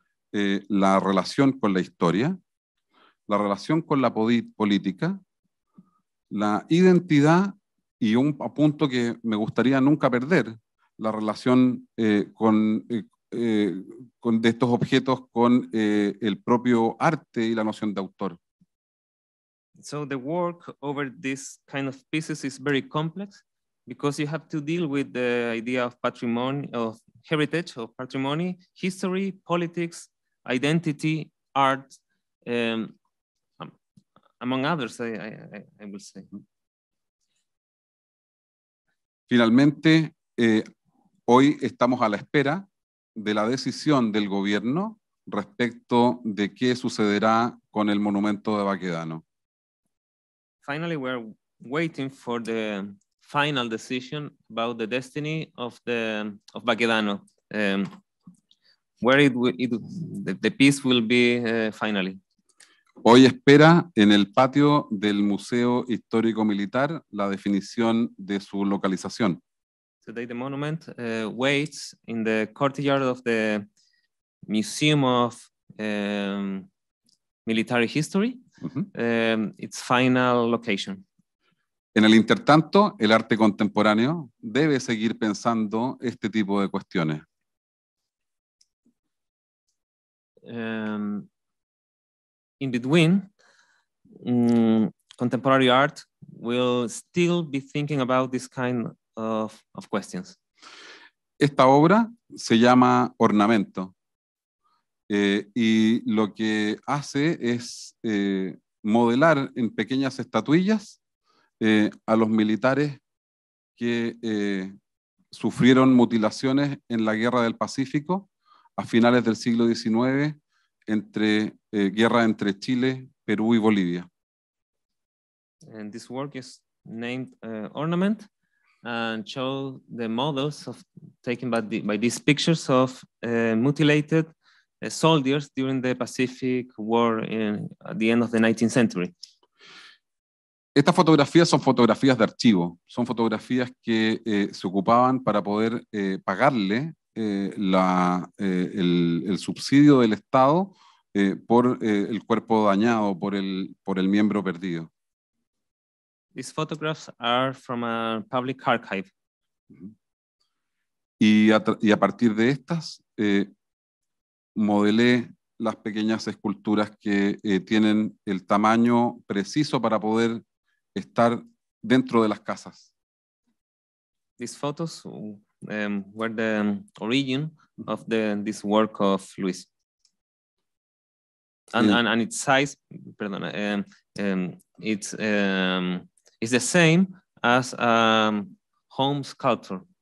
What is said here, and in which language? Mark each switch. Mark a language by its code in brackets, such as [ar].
[es] la relación con la historia, la relación con la política, la identidad y un punto que me gustaría nunca perder, la relación con de estos objetos con el propio arte y la noción de autor. [en] So the work over this kind of pieces is very complex because you have to deal with the idea of patrimony, of heritage, of patrimony, history, politics, identity, art, among others, I will say. [es] Finalmente, hoy estamos a la espera de la decisión del gobierno respecto de qué sucederá con el monumento de Baquedano. [en] Finally, we're waiting for the final decision about the destiny of Baquedano, where the peace will be finally. [es] Hoy espera en el patio del Museo Histórico Militar la definición de su localización. [en] Today the monument waits in the courtyard of the Museum of Military History, its final location. [es] En el intertanto, el arte contemporáneo debe seguir pensando este tipo de cuestiones. [en] In between, contemporary art will still be thinking about this kind of questions. [es] Esta obra se llama Ornamento, y lo que hace es modelar en pequeñas estatuillas a los militares que sufrieron mutilaciones en la Guerra del Pacífico a finales del siglo XIX, entre guerra entre Chile, Perú y Bolivia. [en] And this work is named Ornament and show the models of taken by the, by these pictures of mutilated soldiers during the Pacific War in at the end of the 19th century. [es] Estas fotografías son fotografías de archivo, son fotografías que se ocupaban para poder pagarle el subsidio del Estado por el cuerpo dañado, por el miembro perdido. [en] These photographs are from a public archive. [es] Y a partir de estas, modelé las pequeñas esculturas que tienen el tamaño preciso para poder estar dentro de las casas. [en] These photos were the origin of this work of Luis. And its size, [es] perdón, [en] it's the same as home sculpture.